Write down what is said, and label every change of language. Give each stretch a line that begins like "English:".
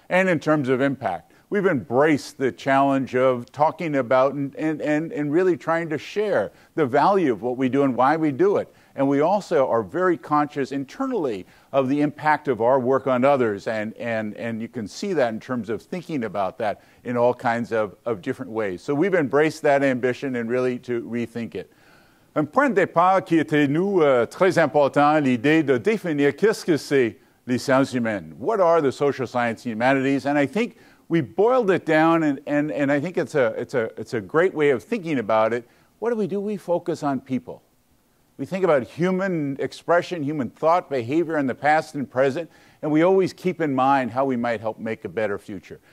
English: And in terms of impact, we've embraced the challenge of talking about and really trying to share the value of what we do and why we do it. And we also are very conscious internally of the impact of our work on others. And you can see that in terms of thinking about that in all kinds of different ways. So we've embraced that ambition and really to rethink it.
French: Un point de départ qui était nous très important, l'idée de définir qu'est-ce que c'est les sciences humaines.
English: What are the social science and humanities? And I think we boiled it down, and I think it's a great way of thinking about it. What do? We focus on people. We think about human expression, human thought, behavior in the past and present, and we always keep in mind how we might help make a better future.